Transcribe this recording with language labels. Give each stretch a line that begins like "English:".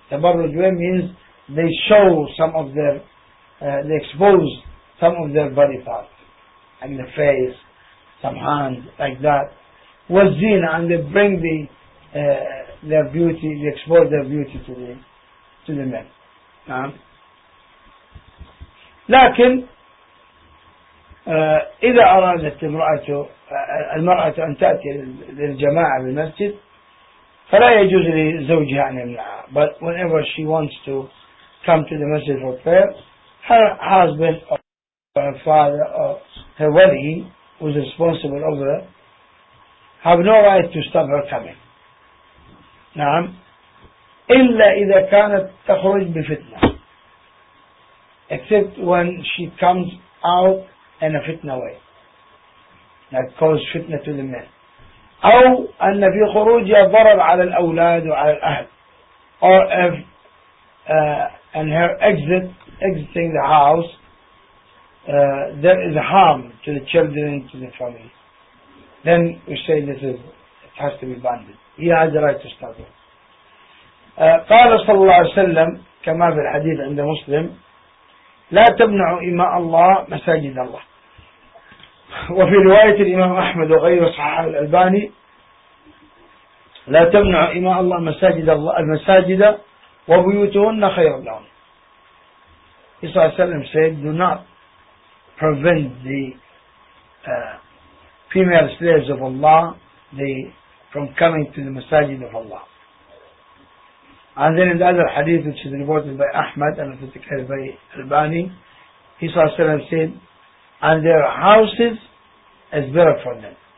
English: Tabarruj way means they show some of their, they expose some of their body parts, like the face, some hands, like that. Wazina, and they bring the their beauty, they expose their beauty to the men.
Arabic: لكن إذا أرادت المرأة أن تأتي للجماعة بالمسجد فلا يجوز لزوجها أن يمنعها.
English: But whenever she wants to come to the masjid for prayer, her husband or her father or her wali who is responsible over her have no right to stop her coming.
Arabic: نعم إلا إذا كانت تخرج بفتنة.
English: Except when she comes out in a fitna way that causes fitna to the men.
Arabic: أو أن في خروجها ضرر على الأولاد وعلى الأهل.
English: Or if in her exiting the house, there is harm to the children, to the family. Then we say it has to be banned. He has the right to stop it.
Arabic: قال صلى الله عليه وسلم كما في الحديث عند مسلم لا تمنع إماء الله مساجد الله. وفي رواية الإمام أحمد وغير صححه الألباني لا تمنع إماء الله مساجد الله المساجد وبيوتهن خير لهم. صلى الله عليه وسلم
English: said do not prevent the female slaves of Allah from coming to the masajid of Allah. And then in the other hadith which is reported by Ahmad and authenticated by Albani, he saw Salam said, and their houses is better for them.